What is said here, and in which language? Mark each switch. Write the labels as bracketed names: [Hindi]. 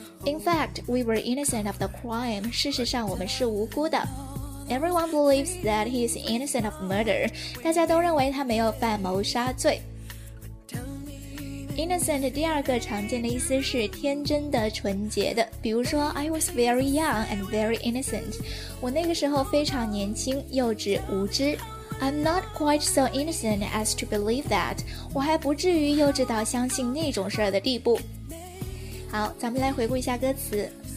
[English] In fact, we were innocent of the crime. [Chinese] 事实上我们是无辜的。 [English] Everyone believes that he is innocent of murder. [Chinese] 大家都认为他没有犯谋杀罪。 Innocent 第二个常见的意思是天真的、纯洁的。 [English] 比如说 I was very young and very innocent. [Chinese] 我那个时候非常年轻、幼稚、无知。 [English] I'm not quite so innocent as to believe that. [Chinese] 我还不至于幼稚到相信那种事儿的地步。好，咱们来回顾一下歌词。